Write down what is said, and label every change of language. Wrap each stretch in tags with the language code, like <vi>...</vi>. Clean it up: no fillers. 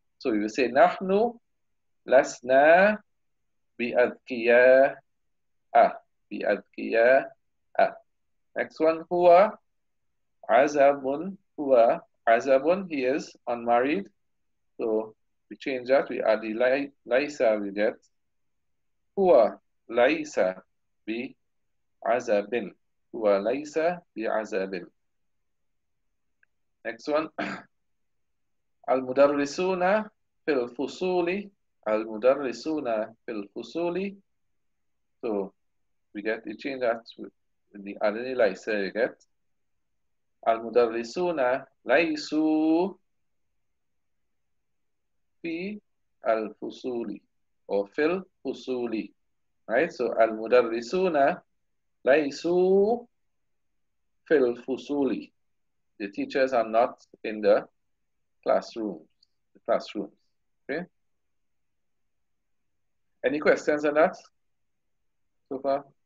<en>So you say</en> <ar>نحن لسنا بأذكياء. بأذكياء.</ar> <en>Next one,</en> <ar>هو عزب. هو عزب.</ar> <en>He is unmarried. So we change that. We add the ليس. We get</en> <ar>هو ليس بعزب. هو ليس بعزب.</ar> <en>Next one.</en> <ar>المدرسون في الفصول. المدرسون في الفصول.</ar> <en>So we get to change that with the adding ليس. You get</en> <ar>المدرسون ليسوا في الفصول or في الفصول.</ar> <en>Right, so</en> <ar>المدرسون ليسوا في الفصول.</ar> <en>The teachers are not in the classrooms. The classrooms. Okay. Any questions on that so far?</en>